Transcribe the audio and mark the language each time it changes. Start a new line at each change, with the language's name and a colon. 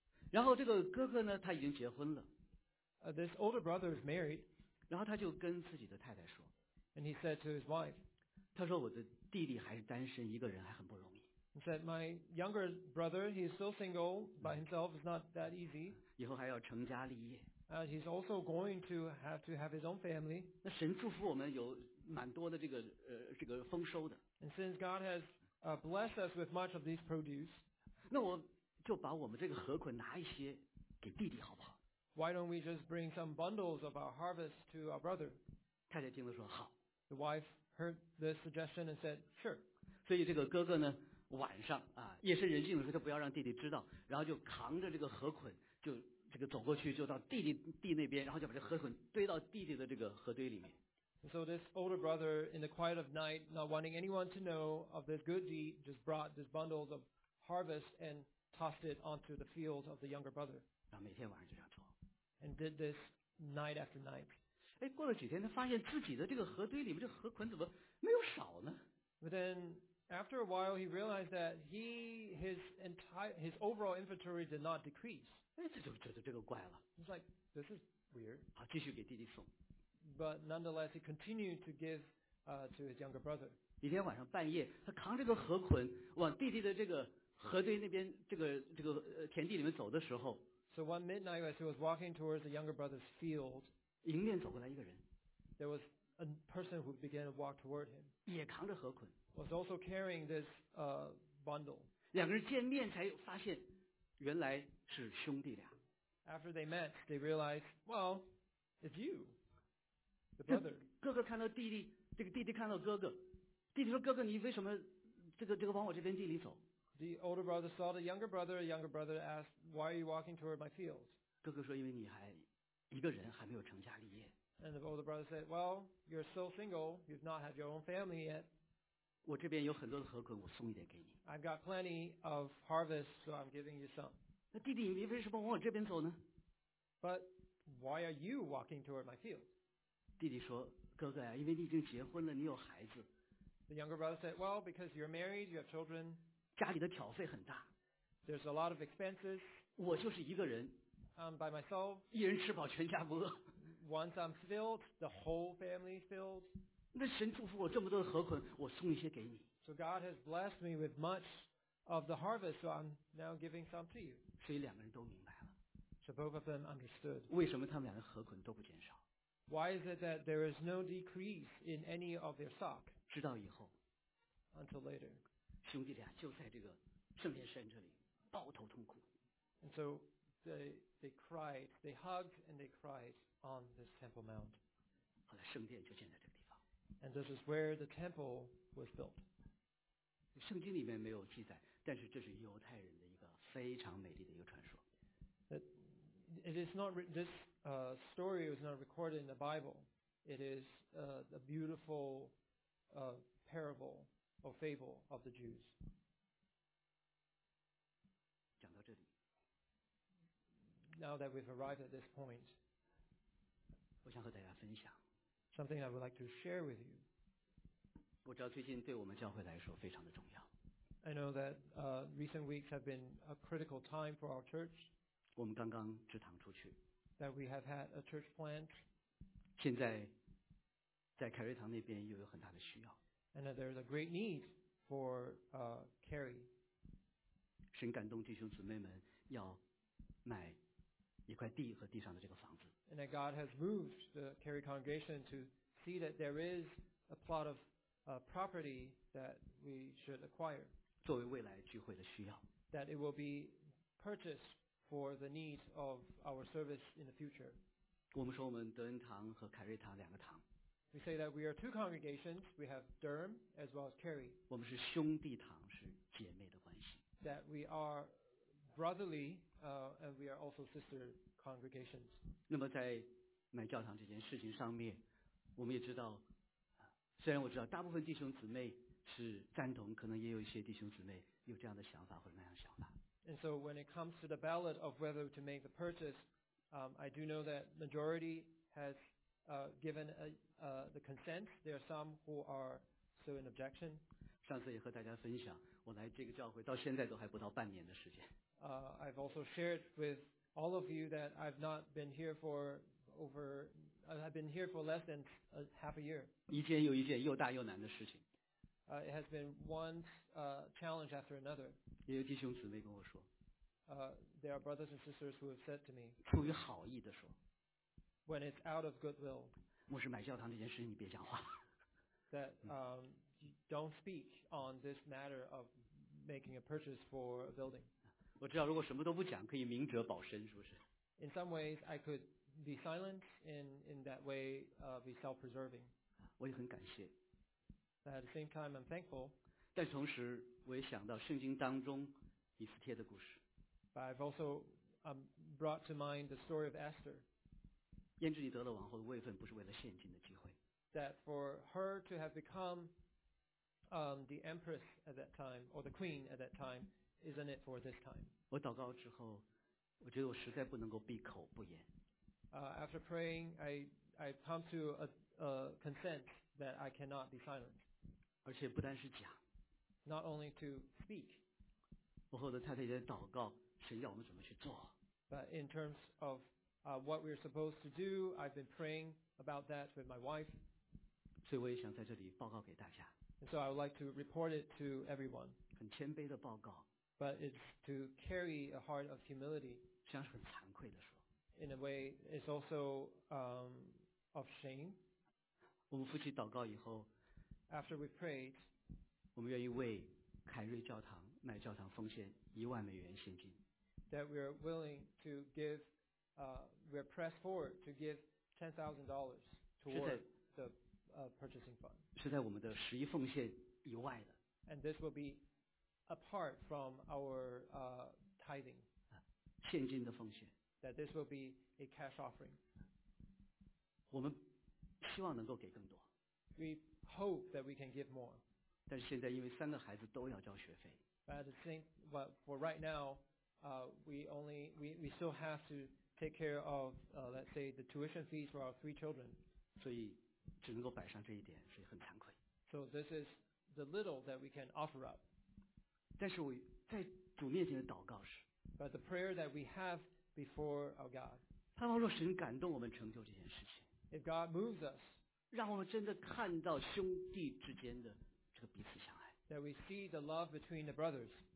Chinese: 然后这个哥哥呢，他已经结婚了。
English: This older brother is married.
Chinese: 然后他就跟自己的太太说。
English: And he said to his wife,
Chinese: 他说我的弟弟还是单身一个人还很不容易。
English: He said, my younger brother, he is still single by himself, it's not that easy.
Chinese: 以后还要成家立业。
English: He's also going to have his own family.
Chinese: 那神祝福我们有蛮多的这个丰收的。
English: And since God has blessed us with much of these produce,
Chinese: 那我就把我们这个禾捆拿一些给弟弟好不好？
English: Why don't we just bring some bundles of our harvest to our brother?
Chinese: 太太听了说好。
English: The wife heard the suggestion and said, sure.
Chinese: 所以这个哥哥呢，晚上啊，夜深人静的时候，他不要让弟弟知道，然后就扛着这个禾捆，就这个走过去，就到弟弟地那边，然后就把这禾捆堆到弟弟的这个禾堆里面。
English: And、so this older brother, in the quiet of night, not wanting anyone to know of this good deed, just brought this bundle of harvest and tossed it onto the field of the younger brother.
Chinese: 然后每天晚上就这样做。
English: And did this night after night.
Chinese: 哎，过了几天，他发现自己的这个河堆里面这河捆怎么没有少呢
English: ？But then after a while, he realized that his overall inventory did not decrease.
Chinese: 哎，这就觉得这个怪了。
English: He's like, this is weird.
Chinese: 好，继续给弟弟送。
English: But nonetheless, he continued to give to his younger brother.
Chinese: 一天晚上半夜，他扛这个河捆往弟弟的这个河堆那边这个田地里面走的时候
English: ，So one midnight as he was walking towards the younger brother's field.
Chinese: 迎面走过来一个人
English: ，There was a person who began to walk toward him，
Chinese: 也扛着禾捆
English: ，was also carrying this bundle。
Chinese: 两个人见面才发现，原来是兄弟俩。
English: After they met, they realized, well, it's you, the brother。
Chinese: 哥哥看到弟弟，这个弟弟看到哥哥，弟弟说：“哥哥，你为什么这个往我这边地里走
English: ？”The older brother saw the younger brother. The younger brother asked, "Why are you walking toward my fields?"
Chinese: 哥哥说：“因为你还。” 一个人还没有成家立业。
English: And the older brother said, "Well, you're still single. You've not had your own family yet."
Chinese: 我这边有很多的禾捆，我送一点给你。
English: I've got plenty of harvest, so I'm giving you some.
Chinese: 那弟弟，你为什么往我这边走呢
English: ？But why are you walking toward my field?
Chinese: 弟弟说：“哥哥呀，因为你已经结婚了，你有孩子。
English: ”The younger brother said, "Well, because you're married, you have children."
Chinese: 家里的挑费很大。
English: There's a lot of expenses.
Chinese: 我就是一个人。
English: By myself,
Chinese: 一人吃饱全家不饿。
English: Once I'm filled, the whole family is filled.
Chinese: 那神祝福我这么多的禾捆，我送一些给你。
English: So God has blessed me with much of the harvest, so I'm now giving some to you.
Chinese: 所以两个人都明白了。
English: So both of them understood.
Chinese: 为什么他们两个禾捆都不减少
English: ？Why is it that there is no decrease in any of their stock?
Chinese: 直到以后。
English: until later.
Chinese: 兄弟俩就在这个圣殿山这里抱头痛哭。
English: And so they cried, they hugged and they cried on this Temple Mount.
Chinese: 后来圣殿就建在这个地方。
English: And this is where the temple was built.
Chinese: 圣经里面没有记载，但是这是犹太人的一个非常美丽的一个传说。
English: It is not written, this story was not recorded in the Bible. It is a beautiful parable or fable of the Jews.
Chinese: 讲到这里。
English: Now that we've arrived at this point,
Chinese: 我想和大家分享。
English: Something I would like to share with you.
Chinese: 我知道最近对我们教会来说非常的重要。
English: I know that recent weeks have been a critical time for our church.
Chinese: 我们刚刚支堂出去。
English: That we have had a church plant.
Chinese: 现在在凯瑞堂那边又有很大的需要。
English: And that there is a great need for carry.
Chinese: 神感动弟兄姊妹们要买一块地和地上的这个房子。
English: And that God has moved the carry congregation to see that there is a plot of property that we should acquire.
Chinese: 作为未来聚会的需要。
English: That it will be purchased. For the needs of our service in the future.
Chinese: 我们说我们德恩堂和凯瑞堂两个堂。
English: We say that we are two congregations. We have Durham as well as Cary.
Chinese: 我们是兄弟堂，是姐妹的关系。
English: That we are brotherly, and we are also sister congregations.
Chinese: 那么在买教堂这件事情上面，我们也知道，虽然我知道大部分弟兄姊妹是赞同，可能也有一些弟兄姊妹有这样的想法或者那样的想法。
English: And so when it comes to the ballot of whether to make the purchase, I do know that majority has given the consent. There are some who are still in objection.
Chinese: 上次也和大家分享，我来这个教会到现在都还不到半年的时间。
English: I've also shared with all of you that I've not been here for over, I've been here for less than half a year.
Chinese: 一件又一件又大又难的事情。
English: It has been one challenge after another.
Chinese: 也有弟兄姊妹跟我说。
English: There are brothers and sisters who have said to me.
Chinese: 出于好意的说。
English: When it's out of goodwill.
Chinese: 牧师买教堂这件事你别讲话。
English: That don't speak on this matter of making a purchase for a building.
Chinese: 我知道如果什么都不讲，可以明哲保身，是不是？
English: In some ways, I could be silent in that way, be self-preserving.
Chinese: 我也很感谢。
English: At the same time, I'm thankful.
Chinese: 但同时，我也想到圣经当中以斯帖的故事。
English: But I've also brought to mind the story of Esther.
Chinese: 焉知你得了王后的位分，不是为了现今的机会。
English: That for her to have become the empress at that time or the queen at that time, isn't it for this time?
Chinese: 我祷告之后，我觉得我实在不能够闭口不言。
English: After praying, I've come to a consent that I cannot be silent.
Chinese: 而且不单是讲
English: ，Not only to speak，
Chinese: 我和我的太太也在祷告，神要我们怎么去做。
English: But in terms of what we're supposed to do, I've been praying about that with my wife。
Chinese: 所以我也想在这里报告给大家。
English: And so I would like to report it to everyone。
Chinese: 很谦卑的报告。
English: But it's to carry a heart of humility。
Chinese: 实际上是很惭愧的说。
English: In a way, it's also of shame。
Chinese: 我们夫妻祷告以后。
English: After we prayed,
Chinese: 我们愿意为凯瑞教堂买教堂奉献$10,000现金。
English: That we are willing to give, we are pressed forward to give $10,000 toward the purchasing fund.
Chinese: 是在我们的十一奉献以外的。
English: And this will be apart from our tithing.
Chinese: 现金的奉献。
English: That this will be a cash offering.
Chinese: 我们希望能够给更多。
English: Hope that we can give more.
Chinese: 但是现在因为三个孩子都要交学费。
English: But the same, but for right now, we still have to take care of, let's say, the tuition fees for our three children.
Chinese: 所以只能够摆上这一点，所以很惭愧。
English: So this is the little that we can offer up.
Chinese: 但是我在主面前的祷告是。
English: But the prayer that we have before our God.
Chinese: 盼望若神感动我们成就这件事情。
English: If God moves us.
Chinese: 让我们真的看到兄弟之间的这个彼此相爱。
English: That we see the love between the brothers.